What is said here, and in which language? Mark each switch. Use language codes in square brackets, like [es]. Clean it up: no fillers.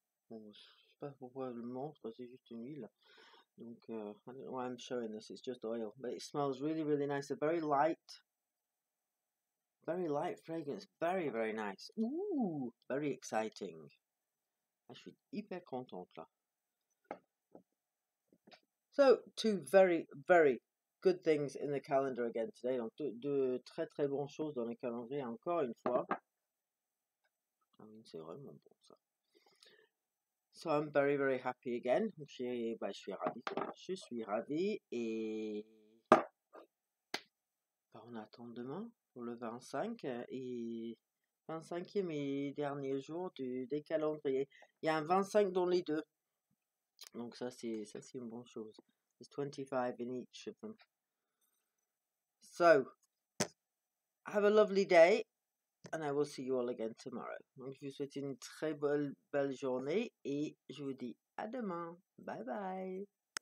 [fr] Bon, je sais pas pourquoi je le montre, c'est juste une huile. [en] Donc, I don't know why I'm showing this, it's just oil. But it smells really, really nice. A very light fragrance. Very, very nice. Ooh, very exciting. [fr] Ah, je suis hyper contente là. [en] So, two very, very good things in the calendar again today. [fr] Donc, deux très, très bonnes choses dans le calendrier encore une fois. Ah oui, c'est vraiment bon ça. [en] So I'm very, very happy again. [fr] Je suis ravi. Et bah, on attend demain pour le 25 et 25e et dernier jour des calendriers. Il y a un 25 dans les deux. Donc ça c'est une bonne chose. [en] There's 25 in each of them. So have a lovely day, and I will see you all again tomorrow. [fr] Donc, je vous souhaite une très belle journée et je vous dis à demain. Bye bye.